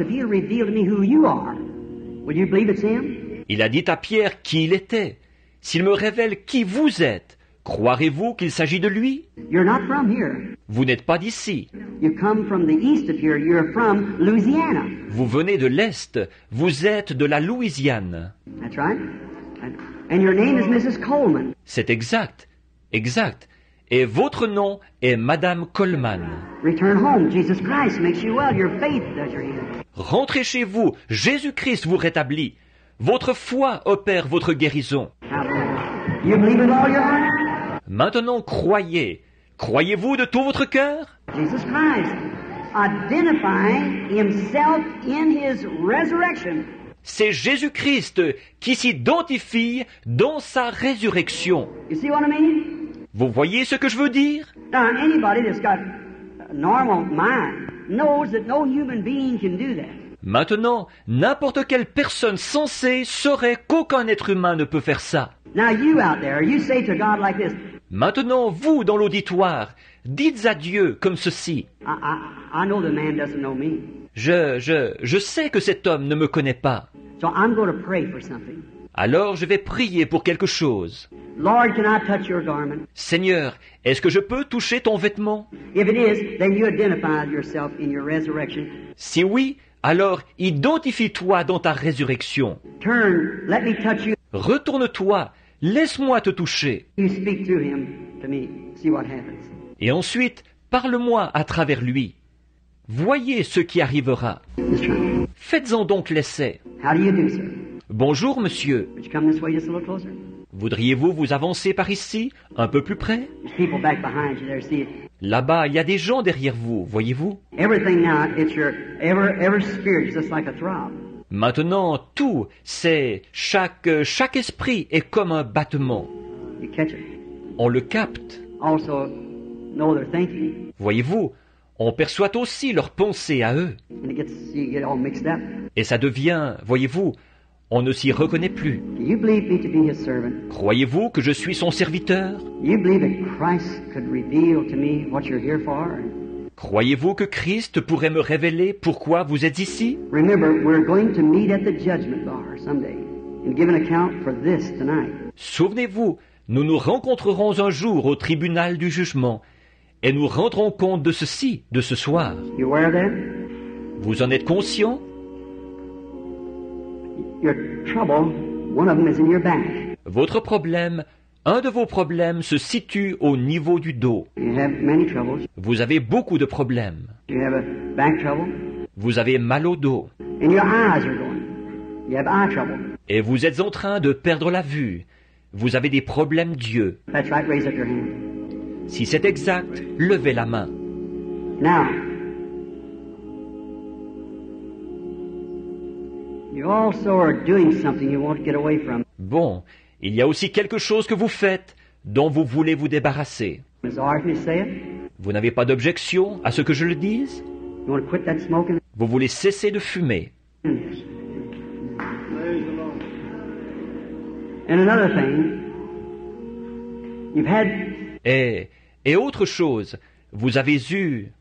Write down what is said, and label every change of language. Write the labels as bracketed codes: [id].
[en] If he'll reveal to me who you are, will you believe it's him? [fr] Il a dit à Pierre qui il était. S'il me révèle qui vous êtes, croirez-vous qu'il s'agit de lui? [en] You're not from here. [fr] Vous n'êtes pas d'ici. [en] You come from the east of here. You're from Louisiana. [fr] Vous venez de l'est. Vous êtes de la Louisiane. [en] That's right. And your name is Mrs. Coleman. [fr] C'est exact. Exact. Et votre nom est Madame Coleman. [en] Return home. Jesus Christ makes you well. Your faith does your healing. [fr] Rentrez chez vous. Jésus-Christ vous rétablit. Votre foi opère votre guérison. [en] You believe in all your heart? [fr] Maintenant, croyez. Croyez-vous de tout votre cœur? [en] Jesus Christ identifying himself in his resurrection. [fr] C'est Jésus-Christ qui s'identifie dans sa résurrection. [en] You see what I mean? [fr] Vous voyez ce que je veux dire? [en] Now, anybody that's got a normal mind knows that no human being can do that. [fr] Maintenant, n'importe quelle personne sensée saurait qu'aucun être humain ne peut faire ça. [en] Now you out there, you say to God like this. [fr] Maintenant, vous dans l'auditoire, dites à Dieu comme ceci. [en] I know the man doesn't know me. [fr] Je sais que cet homme ne me connaît pas. [en] So I'm going to pray for something. [fr] alors je vais prier pour quelque chose. [en] Lord, can I touch your garment? [fr] Seigneur, est-ce que je peux toucher ton vêtement? [en] If it is, then you identify yourself in your resurrection. [fr] Si oui, alors identifie-toi dans ta résurrection. [en] Turn, let me touch you. [fr] Retourne-toi, laisse-moi te toucher. [en] You speak through him to me. See what happens. [fr] Et ensuite, parle-moi à travers lui. Voyez ce qui arrivera. Faites-en donc l'essai. [en] How do you do, sir? [fr] Bonjour, monsieur. [en] Would you come this way just a little closer? [fr] Voudriez-vous vous avancer par ici, un peu plus près? [en] There's people back behind you there, see? [fr] Là-bas, il y a des gens derrière vous, voyez-vous? [en] Everything now, it's your every spirit is just like a throb. [fr] Maintenant, tout, c'est chaque esprit est comme un battement. [en] You catch it. [fr] On le capte. [en] Also, no other thinking. [fr] Voyez-vous, on perçoit aussi leurs pensées à eux. [en] And it gets, you get all mixed up. [fr] Et ça devient, voyez-vous, on ne s'y reconnaît plus. [en] You believe me to be his servant? [fr] Croyez-vous que je suis son serviteur? [en] You believe that Christ could reveal to me what you're here for? [fr] Croyez-vous que Christ pourrait me révéler pourquoi vous êtes ici? [en] Remember, we're going to meet at the judgment bar someday and give an account for this tonight. [fr] Souvenez-vous, nous nous rencontrerons un jour au tribunal du jugement et nous rendrons compte de ceci, de ce soir. [en] You aware of that? [fr] Vous en êtes conscient? [en] Your trouble, one of them is in your back. [fr] Votre problème, un de vos problèmes se situe au niveau du dos. [en] You have many troubles. [fr] Vous avez beaucoup de problèmes. [en] You have a back trouble. [fr] Vous avez mal au dos. [en] And your eyes are going. You have eye trouble. [fr] Et vous êtes en train de perdre la vue. Vous avez des problèmes d'yeux. [en] That's right, raise up your hand. [fr] Si c'est exact, levez la main. [en] Now, you also are doing something you want to get away from. [fr] Bon, il y a aussi quelque chose que vous faites dont vous voulez vous débarrasser. Vous n'avez pas d'objection à ce que je le dise? [en] You want to quit that smoking? [fr] Vous voulez cesser de fumer. [en] And another thing, you've had... [fr] Et autre chose, vous avez eu...